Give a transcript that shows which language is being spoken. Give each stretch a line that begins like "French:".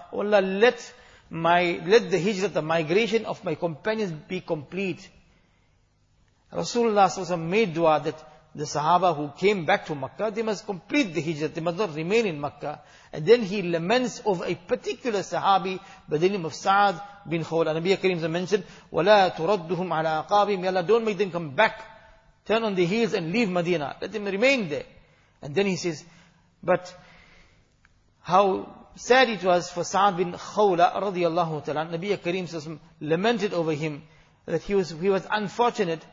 English: Oh Allah, let the hijrah, the migration of my companions be complete. Rasulullah sallallahu alaihi wasallam made dua that the sahaba who came back to Makkah, they must complete the hijrah, they must not remain in Makkah. And then he laments of a particular sahabi by the name of Sa'd bin Khawla. Nabi Kareem mentioned,
Arabic: وَلَا تُرَدُّهُمْ عَلَىٰ أَقَابِهِمْ.
English: Ya Allah, don't make them come back. Turn on the heels and leave Medina. Let them remain there. And then he says, but how sad it was for Sa'd bin Khawla radiallahu ta'ala. Nabi Kareem lamented over him that he was unfortunate.